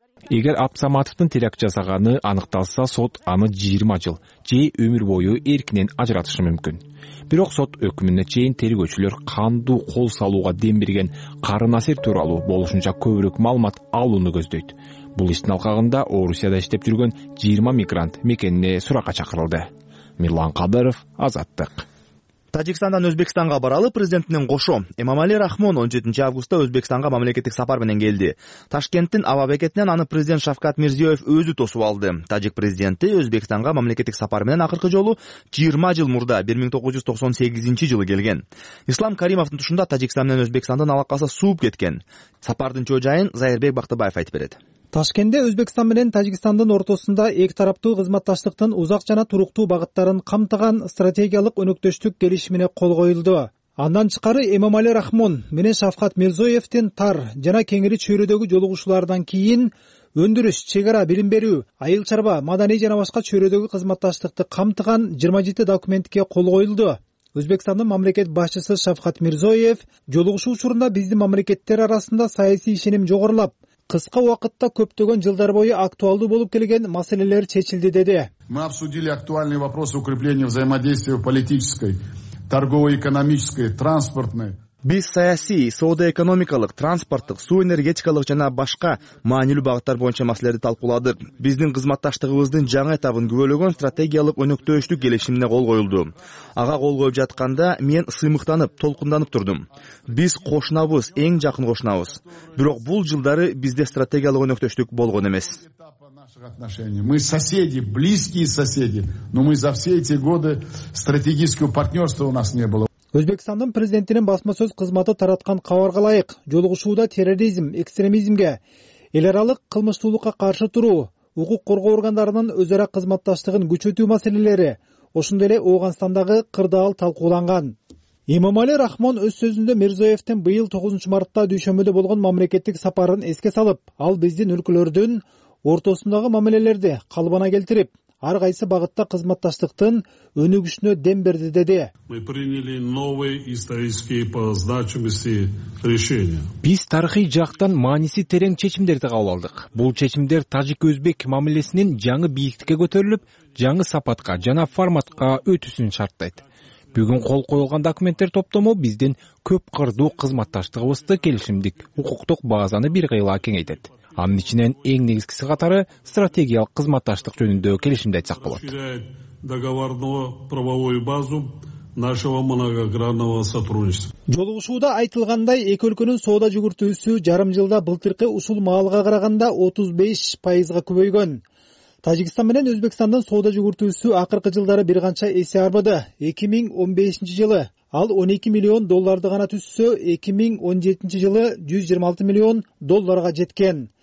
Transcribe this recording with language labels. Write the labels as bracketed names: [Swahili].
[Kyrgyz] Эгер Абдысаматовдун теракт жасаганы аныкталса, сот аны 20 жыл же өмүр бою эркинен ажыратышы мүмкүн. Бирок сот өкүмүнө чейин тергөөчүлөр кандуу кол салууга дем берген Кары Насир тууралуу болушунча көбүрөөк маалымат алууну көздөйт. Бул иштин алкагында Орусияда иштеп жүргөн 20 мигрант мекенине суракка чакырылды. Мирлан Кадыров, Азаттык. Тажикстандан Өзбекстанга баралы президентинин кошо Эмомали Рахмон 17 августта Өзбекстанга мамлекеттик сапар менен келди. Ташкенттин аба бекетинен аны президент Шавкат Мирзиёев өзү тосуп алды. Тажик президенти Өзбекстанга мамлекеттик сапар менен акыркы жолу 20 жыл мурда 1998 жылы келген. Ислам Каримовдун тушунда Тажикстан менен Өзбекстандын алакасы сууп кеткен. Сапардын чоо жайын Зайырбек Бактыбаев айтып берет. Ташкентте Өзбекстан менен Тажикстандын ортосунда эки тараптуу кызматташтыктын узак жана туруктуу багыттарын камтыган стратегиялык өнөктөштүк келишимине кол коюлду. Андан тышкары Эмомали Рахмон менен Шавкат Мирзиёевдин тар жана кеңири чөйрөдөгү жолугушуулардан кийин өндүрүш, чек ара, билим берүү, айыл чарба, маданий жана башка чөйрөдөгү кызматташтыкты камтыган 27 документке кол коюлду. Өзбекстандын мамлекет башчысы Шавкат Мирзиёев жолугушуу учурунда биздин мамлекеттер арасында саясий ишеним жогорулап, кыска убакытта көптөгөн жылдар бою актуалдуу болуп келген маселелер чечилди деди. [Russian] Мы обсудили актуальные вопросы укрепления взаимодействия в политической, торгово-экономической, транспортной. [Kyrgyz] Биз саясий, соодо-экономикалык, транспорттук, суу энергетикалык жана башка маанилүү багыттар боюнча маселелерди талкууладык. Биздин кызматташтыгыбыздын жаңы этабын күбөлөгөн стратегиялык өнөктөштүк келишимине кол коюлду. Ага кол коюп жатканда мен сыймыктанып, толкунданып турдум. Биз кошунабыз, эң жакын кошунабыз. Бирок бул жылдары бизде стратегиялык өнөктөштүк болгон эмес. [Russian] Мы соседи, близкие соседи, но мы за все эти годы стратегического партнерства у нас не было. [Kyrgyz] Өзбекстандын президентинин басма сөз кызматы тараткан кабарга ылайык, жолугушууда терроризм, экстремизмге, эл аралык кылмыштуулукка каршы туруу, укук коргоо органдарынын өз ара кызматташтыгын күчөтүү маселелери ошондой эле Ооганстандагы кырдаал талкууланган. Имамали Рахмон өз сөзүндө Мирзоевтин быйыл 9-мартта дүйшөмбүдө болгон мамлекеттик сапарын эске салып, ал биздин өлкөлөрдүн ортосундагы мамилелерди калыбына келтирип, ар кайсы багытта кызматташтыктын өнүгүшүнө дем берди деди. [Russian] Мы приняли новые исторические по значимости решения. [Kyrgyz] Биз тарыхый жактан мааниси терең чечимдерди кабыл алдык. Бул чечимдер тажик-өзбек мамилесинин жаңы бийиктикке көтөрүлүп, жаңы сапатка жана форматка өтүшүн шарттайт. Бүгүн кол коюлган документтер топтому биздин көп кырдуу кызматташтыгыбызды келишимдик укуктук базаны бир кыйла кеңейтет. Анын ичинен эң негизгиси катары стратегиялык кызматташтык жөнүндө келишимди айтсак болот. [Russian] Договорную правовую базу нашего многогранного сотрудничества. [Kyrgyz] Жолугушууда айтылгандай, эки өлкөнүн соода жүгүртүүсү жарым жылда былтыркы ушул маалга караганда 35% көбөйгөн. Тажикстан менен Өзбекстандын соода жүгүртүүсү акыркы жылдары бир канча эсе арбады. 2015 жылы ал 12 миллион долларды гана түзсө, 2017 жылы 126 миллион долларга жеткен.